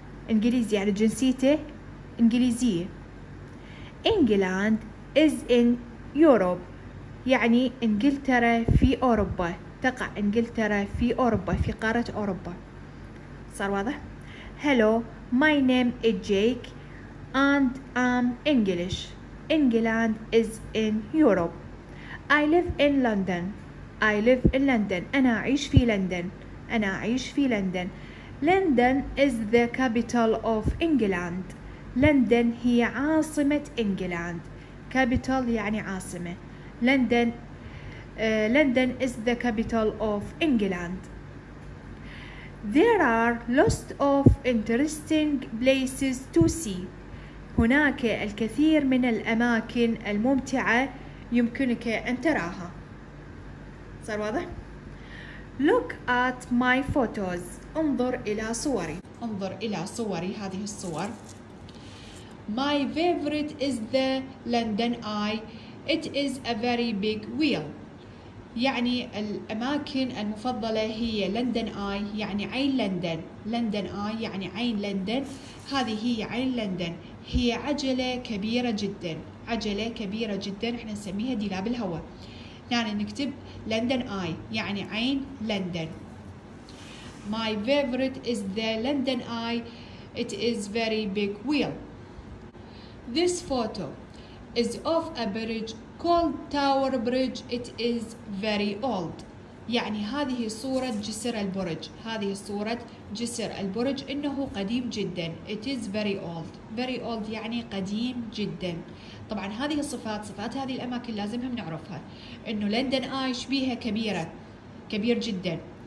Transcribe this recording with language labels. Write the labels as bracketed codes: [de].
[ar] إنجليزي يعني جنسيته إنجليزية. [en] England is in Europe [ar] يعني إنجلترا في أوروبا، تقع إنجلترا في أوروبا، في قارة أوروبا. صار واضح؟ [en] Hello, my name is Jake and I'm English. England is in Europe. I live in London. I live in London. [ar] أنا أعيش في لندن. أنا أعيش في لندن. [en] London is the capital of England. [ar] لندن هي عاصمة England. Capital يعني عاصمة. [en] London. London is the capital of England. There are lots of interesting places to see. [ar] هناك الكثير من الأماكن الممتعة يمكنك أن تراها. صار واضح؟ [en] Look at my photos. [ar] انظر إلى صوري. انظر إلى صوري، هذه الصور. [en] My favorite is the London Eye. It is a very big wheel. [ar] يعني الأماكن المفضلة هي لندن آي، يعني عين لندن. لندن آي يعني عين لندن. هذه هي عين لندن، هي عجلة كبيرة جدا، عجلة كبيرة جدا، احنا نسميها ديلاب الهواء. يعني نكتب لندن آي يعني عين لندن. [en] My favorite is the London Eye. It is very big wheel. This photo is of a bridge called Tower Bridge. It is very old. [ar] يعني هذه صورة جسر البرج. هذه صورة جسر البرج، إنه قديم جدا. [en] It is very old. Very old [ar] يعني قديم جدا. طبعا هذه الصفات، صفات هذه الأماكن لازمهم نعرفها. إنه لندن آي شبيهة كبيرة، كبير جدا.